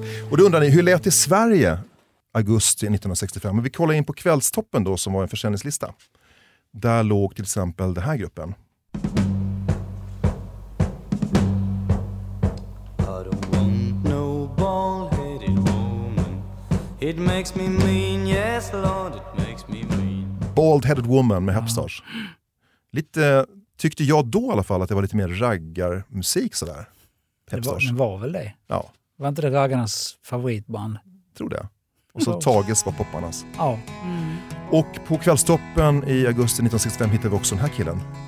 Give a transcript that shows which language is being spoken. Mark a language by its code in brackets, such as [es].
[sv] Och då undrar ni, hur lät det i Sverige augusti 1965? Men vi kollar in på Kvällstoppen då, som var en försäljningslista. Där låg till exempel den här gruppen. [en] I don't want no bald-headed woman. It makes me mean, yes Lord, it makes me mean. [sv] Bald-headed woman med Hepstars. Lite, tyckte jag då i alla fall, att det var lite mer raggarmusik sådär. Hepstars. Det var väl det? Ja. Var inte det raggarnas favoritband? Tror det. Och så Tages var popparnas. Ja. Mm. Och på Kvällstoppen i augusti 1965 hittade vi också den här killen.